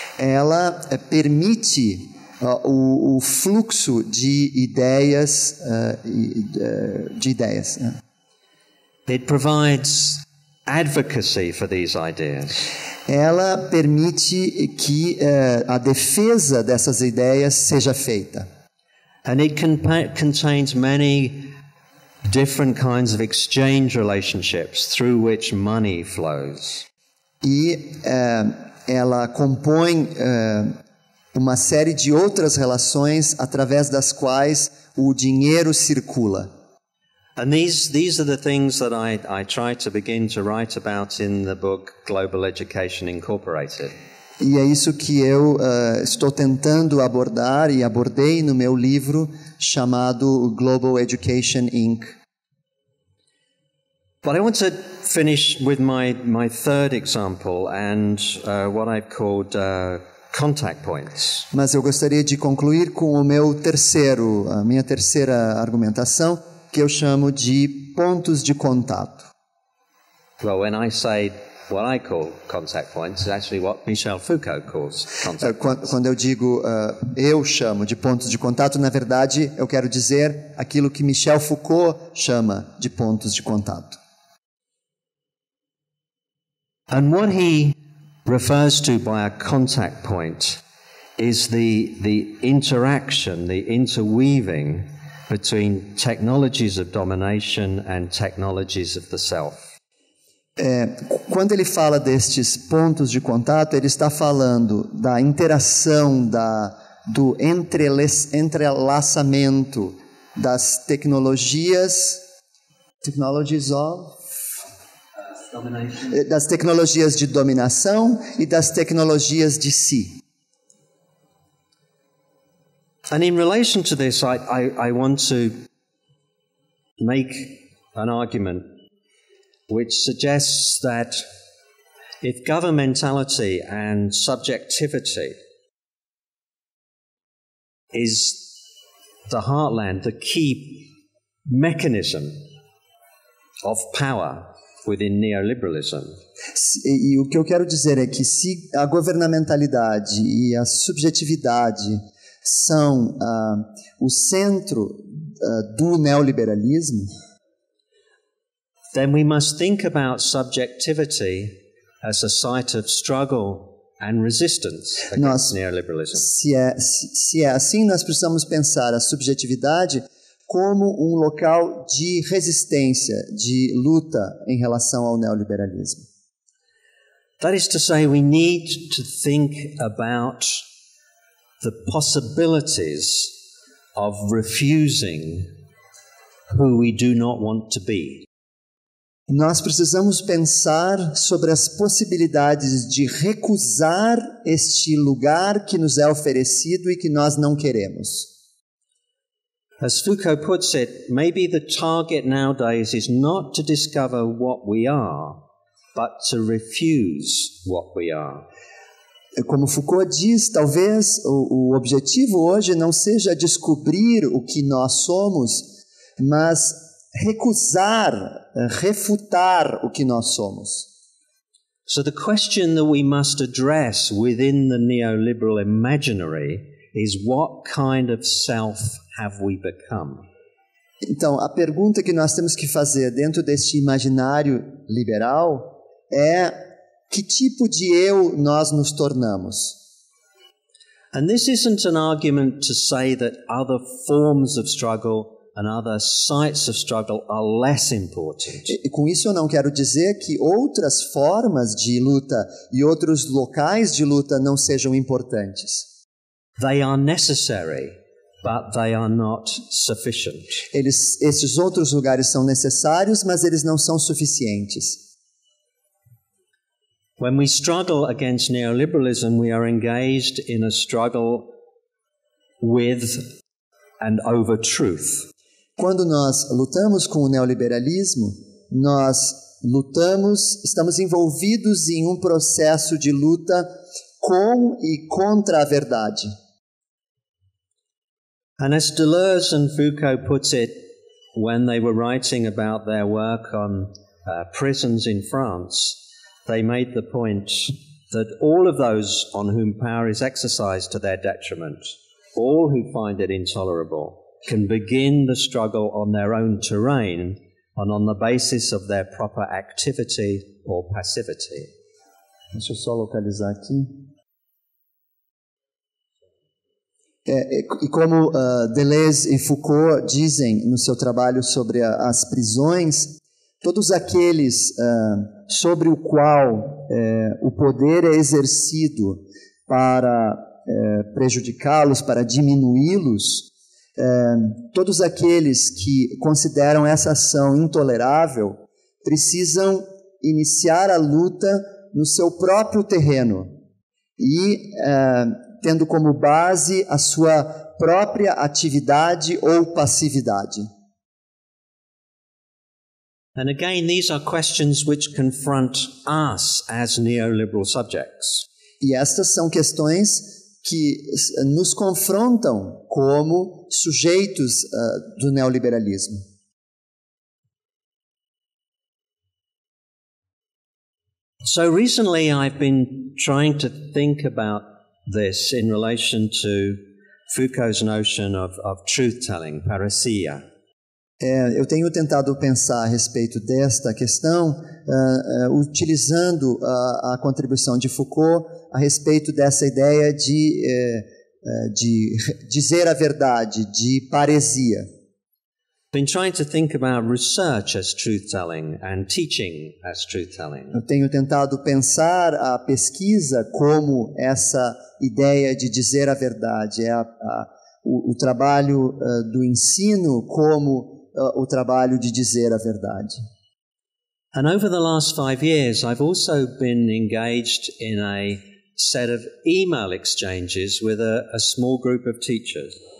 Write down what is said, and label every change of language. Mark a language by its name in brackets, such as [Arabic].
[Portuguese] Ela permite o fluxo de ideias, [English] It provides advocacy for these ideas. [Portuguese] Ela permite que a defesa dessas ideias seja feita. [English] And it contains many different kinds of exchange relationships through which money flows. [Portuguese] E ela compõe uma série de outras relações através das quais o dinheiro circula. [English] And these are the things that I try to begin to write about in the book Global Education Incorporated. [Portuguese] E é isso que eu estou tentando abordar e abordei no meu livro chamado Global Education Inc. [English] But I want to finish with my third example and what I've called contact points. [Portuguese] Mas eu gostaria de concluir com a minha terceira argumentação, que eu chamo de pontos de contato. [English] Well, when I say what I call contact points, it's actually what Michel Foucault calls contact points. [Portuguese] Quando eu digo eu chamo de pontos de contato, na verdade eu quero dizer aquilo que Michel Foucault chama de pontos de contato. [English] And what he refers to by a contact point is the interaction, the interweaving between technologies of domination and technologies of the self. [Portuguese] Quando ele fala destes pontos de contato, ele está falando da interação, do entrelaçamento das tecnologias, [English] technologies of, domination. [Portuguese] Das tecnologias de dominação e das tecnologias de si. [English] And in relation to this, I want to make an argument which suggests that if governmentality and subjectivity is the heartland, the key mechanism of power within neoliberalism. [Portuguese] E o que eu quero dizer é que se a governamentalidade e a subjetividade são o centro do neoliberalismo, [English] then we must think about subjectivity as a site of struggle and resistance against neoliberalism. [Portuguese] Se é assim, nós precisamos pensar a subjetividade como local de resistência, de luta em relação ao neoliberalismo. [English] That is to say, we need to think about the possibilities of refusing who we do not want to be. [Portuguese] Nós precisamos pensar sobre as possibilidades de recusar este lugar que nos é oferecido e que nós não queremos. [English] As Foucault puts it, maybe the target nowadays is not to discover what we are, but to refuse what we are. [Portuguese] Como Foucault diz, talvez o objetivo hoje não seja descobrir o que nós somos, mas recusar, refutar o que nós somos. [English] So the question that we must address within the neoliberal imaginary is what kind of self have we become? [Portuguese] Então, a pergunta que nós temos que fazer dentro deste imaginário liberal é que tipo de eu nós nos tornamos? [English] And this isn't an argument to say that other forms of struggle and other sites of struggle are less important. [Portuguese] E com isso eu não quero dizer que outras formas de luta e outros locais de luta não sejam importantes. [English] They are necessary, but they are not sufficient. [Portuguese] Esses outros lugares são necessários, mas eles não são suficientes. [English] When we struggle against neoliberalism, we are engaged in a struggle with and over truth. [Portuguese] Quando nós lutamos com o neoliberalismo, nós lutamos, estamos envolvidos em um processo de luta com e contra a verdade. [English] And as Deleuze and Foucault puts it, when they were writing about their work on prisons in France, they made the point that all of those on whom power is exercised to their detriment, all who find it intolerable, can begin the struggle on their own terrain and on the basis of their proper activity or passivity. [Portuguese] Deixa eu só localizar aqui. E como Deleuze e Foucault dizem no seu trabalho sobre as prisões, todos aqueles sobre o qual o poder é exercido para prejudicá-los, para diminuí-los, todos aqueles que consideram essa ação intolerável precisam iniciar a luta no seu próprio terreno e tendo como base a sua própria atividade ou passividade. [English] And again, these are questions which confront us as neoliberal subjects. [Portuguese] E estas são questões que nos confrontam como sujeitos do neoliberalismo. [English] So recently I've been trying to think about this in relation to Foucault's notion of truth-telling, parousia. [Portuguese] Eu tenho tentado pensar a respeito desta questão, utilizando a contribuição de Foucault a respeito dessa ideia de dizer a verdade, de paresia. [English] Been trying to think about research as truth-telling and teaching as truth-telling. [Portuguese] Eu tenho tentado pensar a pesquisa como essa ideia de dizer a verdade, é a o trabalho do ensino como o trabalho de dizer a verdade. [English] And over the last 5 years, I've also been engaged in a set of email exchanges with a small group of teachers.